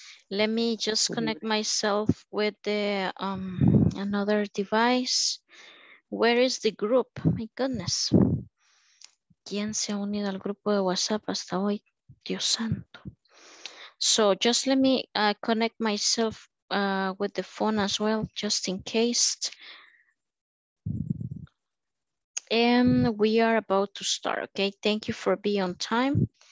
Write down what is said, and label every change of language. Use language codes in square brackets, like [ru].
[en] Let me just connect myself with the another device. Where is the group? My goodness. [es] ¿Quién se ha unido al grupo de WhatsApp hasta hoy? Dios santo. [en] So just let me connect myself with the phone as well, just in case. And we are about to start, okay? Thank you for being on time.